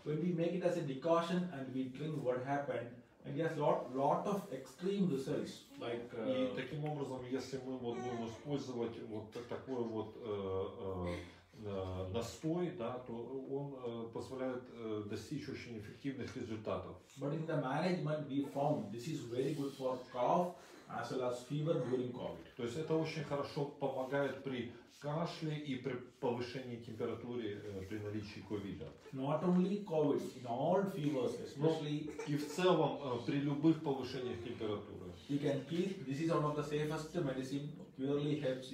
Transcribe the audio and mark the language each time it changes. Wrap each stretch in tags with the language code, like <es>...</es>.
<en>When we make it as a decoction and we drink what happened, and there's lot of extreme results. Like,</en> <ru>и таким образом, если мы вот будем использовать вот такой вот настой, да, то он позволяет достичь очень эффективных результатов.</ru> <en>But in the management we found this is very good for cough as well as fever during COVID.</en> <ru>То есть это очень хорошо помогает при кашле и при повышении температуры при наличии COVID.</ru> <en>Not only COVID, in all fevers, especially.</en> <ru>И в целом при любых повышениях температуры.</ru> <en>You can keep. This is one of the safest medicine. Purely helps.</en>